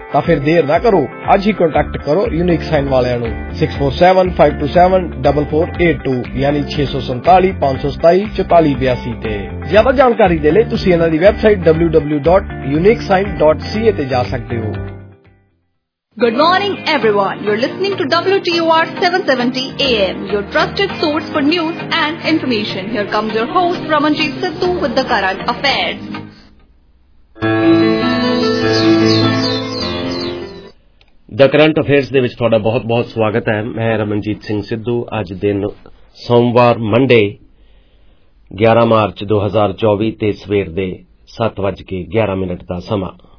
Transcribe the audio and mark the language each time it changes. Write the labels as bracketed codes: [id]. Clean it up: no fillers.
[pa] ਤਾਂ ਫਿਰ ਦੇਰ ਨਾ ਕਰੋ, ਅੱਜ ਹੀ ਕੰਟੈਕਟ ਕਰੋ ਯੂਨੀਕ ਸਾਈਨ ਵਾਲਿਆਂ ਨੂੰ 6475274482 ਯਾਨੀ 6475274482 ਤੇ। ਜ਼ਿਆਦਾ ਜਾਣਕਾਰੀ ਦੇ ਲਈ ਤੁਸੀਂ ਇਹਨਾਂ ਦੀ ਵੈਬਸਾਈਟ www.uniquesign.ca ਤੇ ਜਾ ਸਕਦੇ ਹੋ। [en] Good morning everyone, you're listening to WTUR 770 AM, your trusted source for news and information. Here comes your host Ramanjit Sidhu with the current affairs. [pa] The current affairs ਦੇ ਵਿੱਚ ਤੁਹਾਡਾ ਬਹੁਤ ਬਹੁਤ ਸਵਾਗਤ ਹੈ। ਮੈਂ ਰਮਨਜੀਤ ਸਿੰਘ ਸਿੱਧੂ, ਅੱਜ ਦਿਨ ਸੋਮਵਾਰ ਮੰਡੇ 11 ਮਾਰਚ 2024 ਤੇ ਸਵੇਰ ਦੇ 7:11 ਦਾ ਸਮਾਂ।